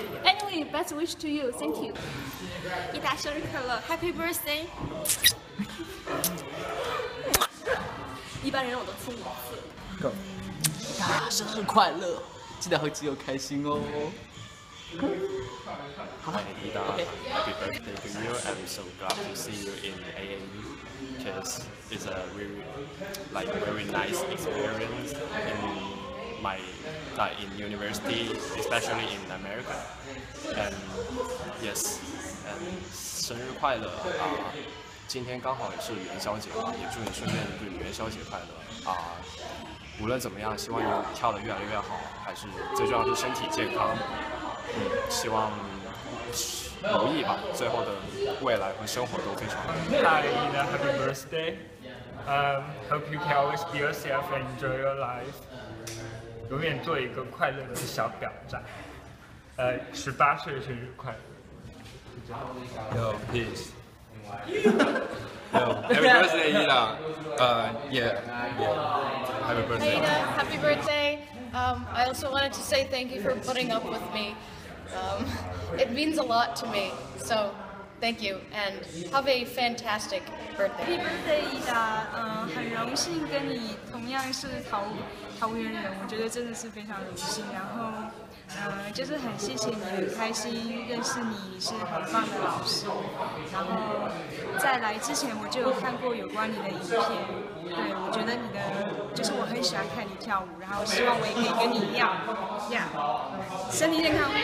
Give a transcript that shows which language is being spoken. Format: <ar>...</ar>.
<en>Anyway, best wish to you. Thank you.</en> <zh>一大生日快乐 ，</zh> <en>Happy birthday！</en> <zh>一般人我都亲五次。一大生日快乐，记得和基友开心哦。</zh> <en>Hi, Yida. Happy birthday to you. I'm so glad to see you in AAU because it's a really, like, very nice experience in my, like, in university, especially in America. And yes, and</en> <zh>生日快乐啊！今天刚好也是元宵节嘛，也祝你顺便就元宵节快乐啊！无论怎么样，希望你跳得越来越好，还是最重要是身体健康。嗯，希望如意吧，最后的未来和生活都非常</zh> <en>好。Hi, Yida, Happy Birthday. Hope you can always be yourself and enjoy your life.</en> <zh>永远做一个快乐的小表彰。十八岁生日快乐。</zh> <en>Yo, peace. Yo, Happy Birthday, Yida. Happy Birthday. Yida, Happy Birthday. I also wanted to say thank you for putting up with me. It means a lot to me, so thank you, and have a fantastic birthday. Happy birthday, Yida.</en> <zh>很荣幸跟你同样是桃园人，我觉得真的是非常荣幸。然后，就是很谢谢你，很开心认识你，是很棒的老师。然后在来之前我就有看过有关你的影片，对，我觉得你的就是我很喜欢看你跳舞，然后希望我也可以跟你一样，身体健康。</zh>